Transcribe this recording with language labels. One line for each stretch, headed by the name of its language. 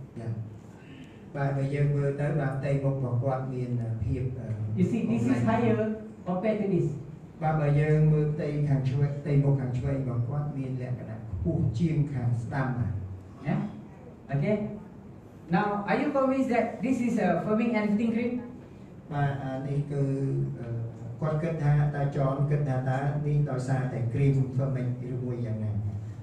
English: yeah but when you look at the face of the patient you see this is higher compared to this ប
Khmer: បាទបើយើងមើលផ្ទៃខាងឆ្វេងផ្ទៃមុខខាងឆ្វេងរបស់គាត់មានលក្ខណៈខ្ពស់ជាងខាងស្ដាំណា
English: អូខេ Now are you convinced that this is a forming and fitting cream
Khmer: បាទនេះគឺគាត់គិតថាតាចនគិតថាតានេះដោយសារតែ cream forming ឬមួយយ៉ាងណាណា